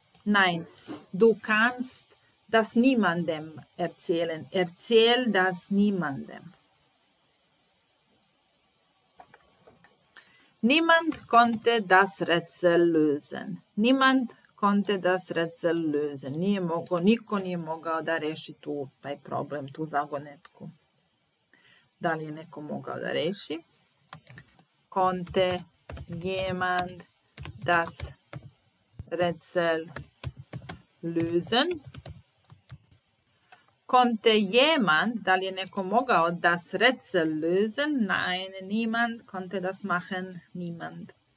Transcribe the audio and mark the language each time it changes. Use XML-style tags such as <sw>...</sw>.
<de>Nein, du kannst das niemandem erzählen. Erzähl das niemandem. Niemand konnte das Rätsel lösen. Niemand konnte das Rätsel lösen.</de> <sr>Nije mogao, niko nije mogao da reši tu taj problem, tu zagonetku. Da li je neko mogao da reši?</sr> <de>Konnte jemand das Rätsel lösen? Konnte jemand,</de> <sr>da li je neko mogao</sr> <de>das Rätsel lösen? Nein, niemand konnte das machen, niemand.</de>